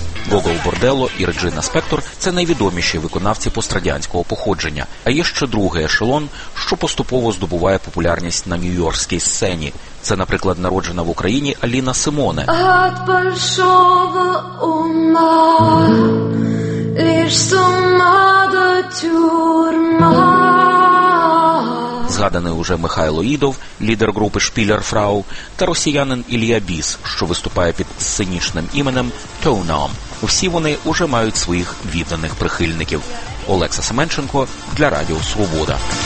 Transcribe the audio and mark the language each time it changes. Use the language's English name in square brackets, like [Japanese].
[Ukrainian] Гогол Борделло і Реджина Спектор – це найвідоміші виконавці пострадянського походження. А є ще другий ешелон, що поступово здобуває популярність на нью-йоркській сцені. Це, наприклад, народжена в Україні Аліна Симоне. [Russian] От большого ума, лиш сума до тюрма. [Ukrainian] Згаданий уже Михайло Ідов, лідер групи «Шпілер Фрау», та росіянин Ілія Біс, що виступає під сценічним іменем «Тоунам». Всі вони уже мають своїх відданих прихильників. Олекса Семенченко для Радіо Свобода.